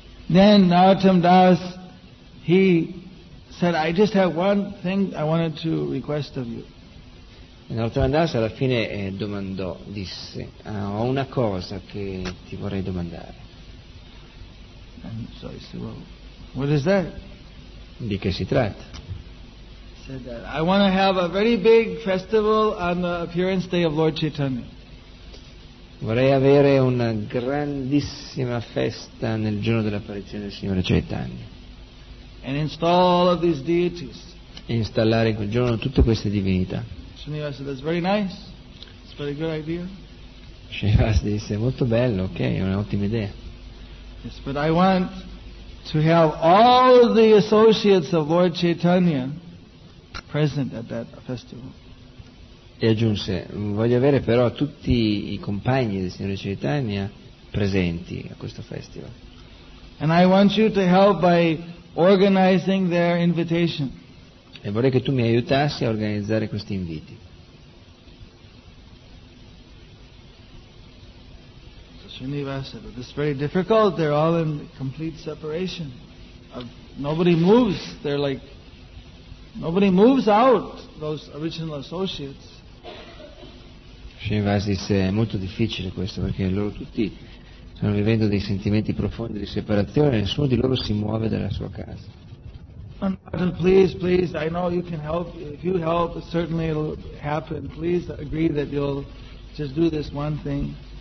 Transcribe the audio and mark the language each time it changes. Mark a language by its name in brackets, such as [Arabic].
[English] Then Narottama Das, he said, "I just have one thing I wanted to request of you." [Italian] Narottama Das alla fine domandò, disse, "Ho una cosa che ti vorrei domandare." [English] And so he said, "Well, what is that?" [Italian] Di che si tratta? [English] He said that I want to have a very big festival on the appearance day of Lord Chaitanya. [Italian] Vorrei avere una grandissima festa nel giorno dell'apparizione del Signore Chaitanya. [English] And install all of these deities. [Italian] E installare in quel giorno tutte queste divinità. [English] Srinivas said, "That's very nice. It's a very good idea." [Italian] Srinivas disse, "Molto bello, ok, è un'ottima idea." [English] Yes, but I want to have all of the associates of Lord Chaitanya present at that festival. [Italian] E aggiunse, voglio avere però tutti i compagni del Signore Chaitanya presenti a questo festival. [English] And I want you to help by organizing their invitation. [Italian] E vorrei che tu mi aiutassi a organizzare questi inviti. [English] So Srinivas said, "But this is very difficult. They're all in complete separation. Nobody moves. They're like, nobody moves out those original associates." [Italian] Srinivas disse, "È molto difficile questo, perché loro tutti stanno vivendo dei sentimenti profondi di separazione, nessuno di loro si muove dalla sua casa." [English] "Please, please, I know you can help. If you help, certainly it'll happen. Please agree that you'll just do this one thing."